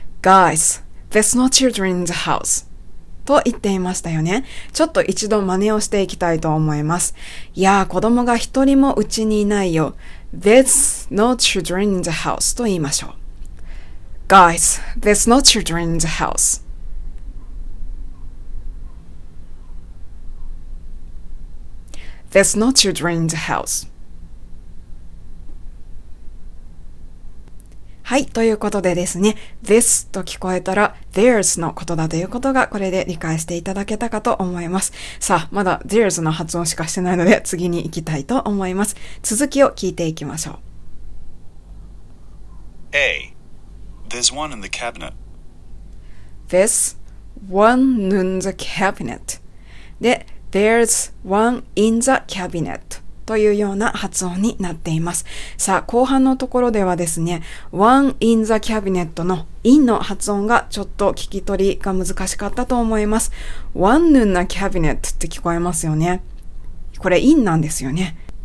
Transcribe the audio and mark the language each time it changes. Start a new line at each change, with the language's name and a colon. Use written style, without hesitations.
English: Guys, there's no children in the house.
Japanese: と言っていましたよね。ちょっと一度真似をしていきたいと思います。いやー、子供が一人もうちにいないよ。
English: There's no children in the house.
Japanese: と言いましょう。
English: Guys, there's no children in the house. There's no children in the house.
Japanese: はい、ということでですね、 This と聞こえたら There's のことだということが、これで理解していただけたかと思います。さあ、まだ There's の発音しかしてないので、次に行きたいと思います。続きを聞いていきましょう。
English: A. There's one in the cabinet. There's one in the cabinet. で、 There's one in the cabinet.
Japanese: というような発音になっています。さあ、後半のところではですね、
English: One in the cabinet
Japanese: の in の発音がちょっと聞き取りが難しかったと思います。
English: One in the cabinet
Japanese: って聞こえますよね。これ in なんですよね。